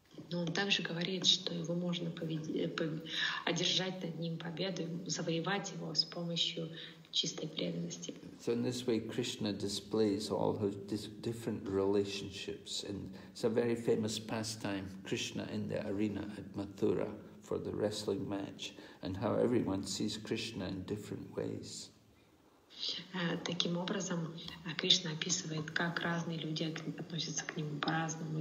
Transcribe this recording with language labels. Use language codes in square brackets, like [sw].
[ru] Но он также говорит, что его можно одержать над ним победу, завоевать его с помощью чистой преданности. [en] So in this way, Krishna displays all his different relationships, and it's a very famous pastime: Krishna in the arena at Mathura for the wrestling match, and how everyone sees Krishna in different ways. [ru] Таким образом, Кришна описывает, как разные люди относятся к нему по-разному.